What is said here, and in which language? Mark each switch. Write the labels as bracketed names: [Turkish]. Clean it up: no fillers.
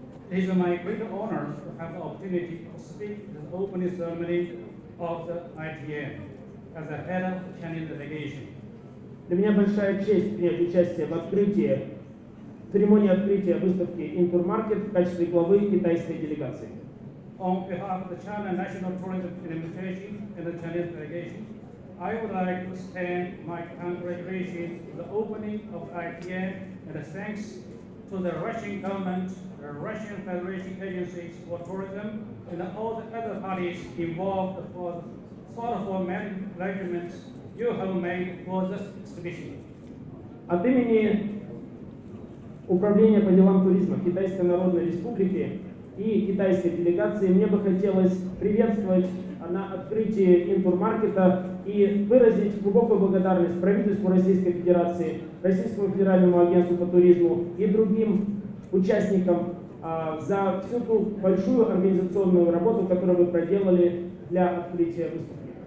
[English] it is my great honor to have the opportunity to speak in the opening ceremony of the IGN as the head of the Chinese delegation. [Russian] Для меня большая честь принять участие в открытии, в церемонии открытия выставки Intermarket в качестве главы китайской делегации. [English] On behalf of the China National Tourism Administration and the Chinese delegation, I would like to extend my congratulations to the opening of IGN and thanks to the Russian government, the Russian Federation agencies for tourism, and all the other parties involved for the thoughtful management you have made for this exhibition. [Russian] От имени Управления по делам туризма Китайской Народной Республики и китайской делегации мне бы хотелось приветствовать на открытии Интурмаркета и выразить глубокую благодарность правительству Российской Федерации, Российскому Федеральному Агентству по туризму и другим участникам за всю ту большую организационную работу, которую вы проделали для открытия выставки.